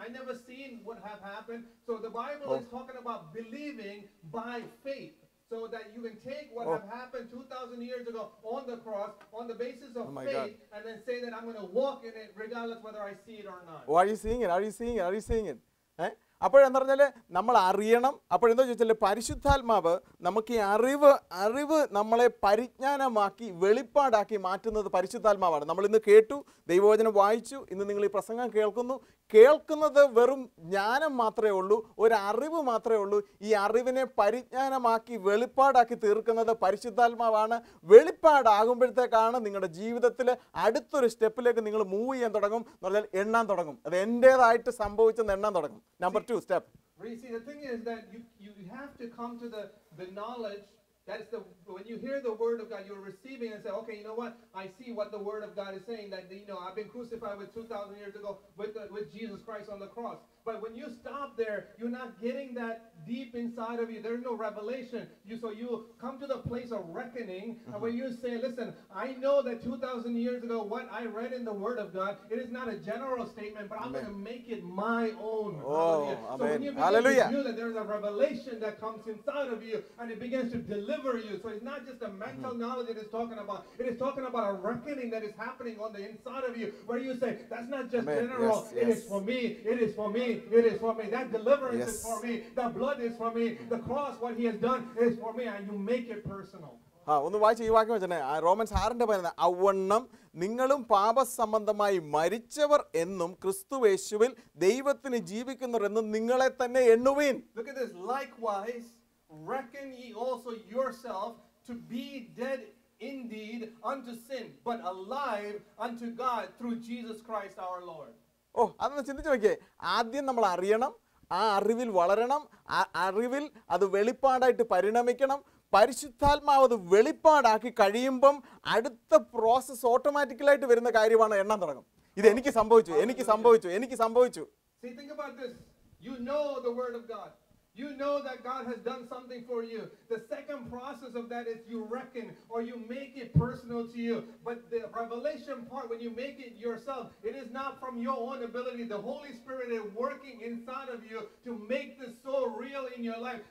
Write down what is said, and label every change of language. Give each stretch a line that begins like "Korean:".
English: I never seen what have happened. So the Bible is talking about believing by faith so that you can take what have happened 2,000 years ago on the cross on the basis of faith God. And then say that I'm going to walk in it regardless whether I see it or not. Why are you seeing it?
Malayalam: അപ്പോഴെന്ന് പറഞ്ഞാൽ നമ്മൾ അറിയണം. അപ്പോഴെന്തോ ചോദിച്ചാൽ പരിശുദ്ധാത്മാവ് നമുക്ക് ഈ അറിവ് നമ്മളെ പരിജ്ഞാനമാക്കി വെളിപ്പാടാക്കി മാറ്റുന്നത് പരിശുദ്ധാത്മാവാണ്. നമ്മൾ ഇന്ന് കേട്ടു, ദൈവവചനം വായിച്ചു, ഇന്ന് നിങ്ങൾ ഈ പ്രസംഗം കേൾക്കുന്നു. കേൾക്കുന്നത് വെറും ജ്ഞാനം മാത്രമേ ഉള്ളൂ, ഒരു അറിവ് മാത്രമേ ഉള്ളൂ. ഈ അറിവിനെ പരിജ്ഞാനമാക്കി വെളിപ്പാടാക്കി തീർക്കുന്നത് പരിശുദ്ധാത്മാവാണ്. വെളിപ്പാടാകുമ്പോഴത്തേക്കാണ് നിങ്ങളുടെ ജീവിതത്തിൽ അടുത്തൊരു സ്റ്റെപ്പിലേക്ക് നിങ്ങൾ മൂവ് ചെയ്യാൻ തുടങ്ങും എന്ന് പറഞ്ഞാൽ എണ്ണാൻ തുടങ്ങും. അത് എൻ്റേതായിട്ട് സംഭവിച്ചെന്ന് എണ്ണാൻ തുടങ്ങും. Number 2 step.
English: You see, the thing is that you have to come to the knowledge. That's the when you hear the word of God, you're receiving and say, okay, you know what? I see what the word of God is saying, that you know I've been crucified with 2,000 years ago with Jesus Christ on the cross. But when you stop there, you're not getting that deep inside of you. There's no revelation. So you come to the place of reckoning. Mm-hmm. And when you say, listen, I know that 2,000 years ago, what I read in the Word of God, it is not a general statement, but I'm going to make it my own. Hallelujah. So when you begin to feel that there's a revelation that comes inside of you and it begins to deliver you. So it's not just a mental mm-hmm. knowledge it is talking about. It is talking about a reckoning that is happening on the inside of you where you say, that's not just Amen. General. Yes, yes. It is for me. It is for me. It is for me. That deliverance yes. is for me. The blood is for me. The cross, what he has done, is for me. And you make it personal.
Malayalam: ഒന്ന് വായിച്ച് ഈ വാക്യം വെച്ചാൽ romance 6 പറയുന്നത്, അവണ്ണം നിങ്ങളും പാപസംബന്ധമായി മരിച്ചവർ എന്നും ക്രിസ്തു യേശുവിൽ ദൈവത്തിന് ജീവിക്കുന്നവർ എന്നും നിങ്ങളെ തന്നെ എണ്ണുവീൻ.
English: Look at this. Likewise, reckon ye also yourself to be dead indeed unto sin, but alive unto God through Jesus Christ our Lord.
Malayalam: ഓ, അതൊന്ന് ചിന്തിച്ച് നോക്കിയേ. ആദ്യം നമ്മൾ അറിയണം, ആ അറിവിൽ വളരണം, ആ അറിവിൽ അത് വെളിപ്പാടായിട്ട് പരിണമിക്കണം. പരിശുദ്ധാത്മാവ് അത് വെളിപ്പാടാക്കി കഴിയുമ്പം അടുത്ത പ്രോസസ് ഓട്ടോമാറ്റിക്കലായിട്ട് വരുന്ന കാര്യമാണ് എണ്ണം തുടങ്ങും. ഇത് എനിക്ക് സംഭവിച്ചു, എനിക്ക് സംഭവിച്ചു, എനിക്ക് സംഭവിച്ചു.
English: See, think about this. You know the word of God. You know that God has done something for you. The second process of that is you reckon or you make it personal to you. But the revelation part, when you make it yourself, it is not from your own ability. The Holy Spirit is working inside of you to make this so real in your life.